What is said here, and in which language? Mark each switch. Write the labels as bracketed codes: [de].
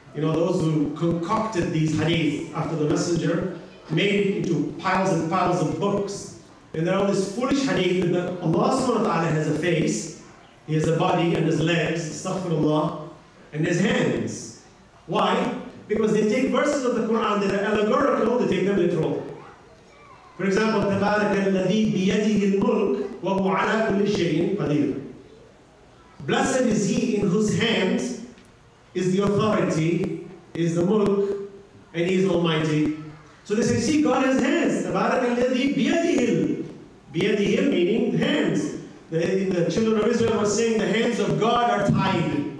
[en] You know, those who concocted these hadith after the messenger, made it into piles and piles of books. And there are all these foolish hadith that Allah subhanahu wa ta'ala has a face, he has a body and his legs, astaghfirullah, and his hands. Why? Because they take verses of the Quran that are allegorical, they take them literal. For example, [ar] تَبَارَكَ الَّذِي بِيَدِهِ الْمُلْكِ وَهُ عَلَى كُلِّ شَيْءٍ قَدِيرٌ. [en] Blessed is he in whose hands is the authority, is the mulk, and he is almighty. So they say, see, God has hands. [ar] Tabaraka alladhi biyadihil. [en] Biyadihil meaning hands. The children of Israel were saying the hands of God are tied.